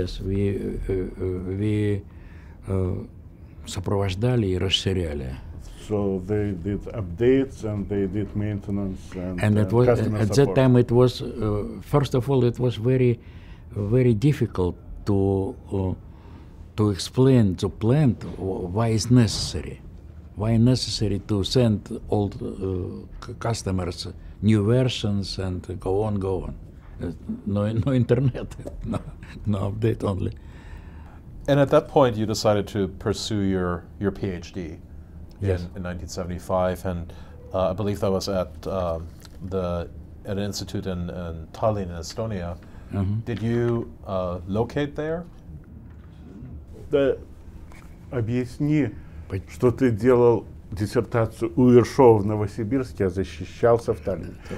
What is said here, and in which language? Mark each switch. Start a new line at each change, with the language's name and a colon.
English: We
Russian: сопровождали и расширяли.
English: So they did updates and they did maintenance and it was customer at support. That time it was first of all it was very very difficult to explain to plant why it's necessary. Why necessary to send old customers new versions and go on? No internet, no update only. And at that point, you decided to pursue your PhD in 1975, and I believe that was at an institute in Tallinn, in Estonia. Mm-hmm. Did you locate there? The
Russian: объясни, что ты делал диссертацию у Ершова в Новосибирске, а защищался в Таллине.